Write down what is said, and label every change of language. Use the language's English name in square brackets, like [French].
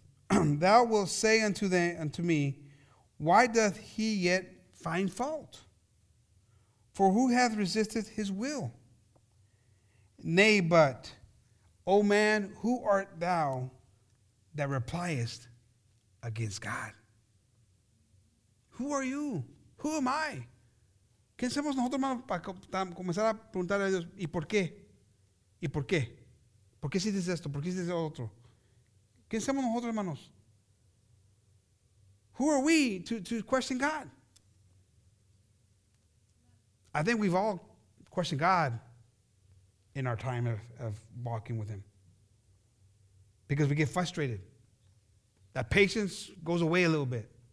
[English] Thou wilt say unto me, why doth he yet find fault? For who hath resisted his will? Nay, but, O man, who art thou that repliest against God? Who are you? Who am I? [Spanish] ¿Quién somos nosotros, hermano, para comenzar a preguntar a Dios? ¿Y por qué? ¿Y por qué? ¿Por qué dices esto? ¿Por qué dices otro? ¿Quién somos nosotros, hermanos? [English] Who are we to question God? I think we've all questioned God in our time of walking with him. Because we get frustrated. That patience goes away a little bit.